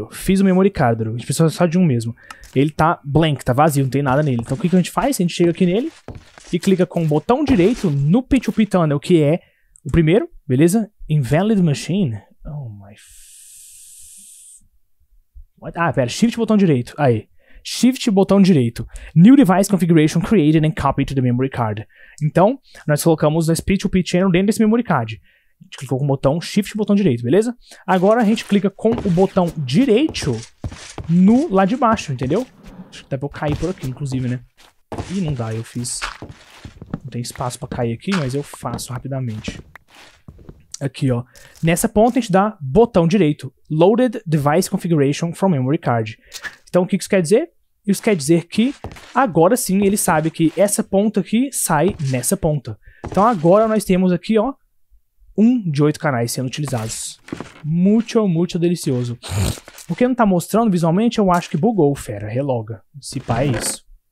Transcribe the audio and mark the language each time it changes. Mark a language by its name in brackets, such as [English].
[Portuguese] Fiz o memory card. A gente precisa só de um mesmo. Ele tá blank, tá vazio, não tem nada nele. Então o que que a gente faz? A gente chega aqui nele e clica com o botão direito no P2P tunnel, que é o primeiro, beleza? [English] Invalid machine. Oh my... [Portuguese] What? Ah, pera, shift botão direito, aí. Shift botão direito. [English] New device configuration created and copied to the memory card. [Portuguese] Então, nós colocamos esse P2P channel dentro desse memory card. A gente clicou com o botão shift botão direito, beleza? Agora a gente clica com o botão direito no lá de baixo, entendeu? Acho que dá pra eu cair por aqui, inclusive, né? Ih, não dá, eu fiz... Não tem espaço pra cair aqui, mas eu faço rapidamente. Aqui, ó. Nessa ponta, a gente dá botão direito. [English] Loaded device configuration from memory card. [Portuguese] Então, o que isso quer dizer? Isso quer dizer que, agora sim, ele sabe que essa ponta aqui sai nessa ponta. Então, agora nós temos aqui, ó, um de 8 canais sendo utilizados. Muito, muito delicioso. O que não tá mostrando visualmente, eu acho que bugou, fera. Reloga. Se pá, é isso.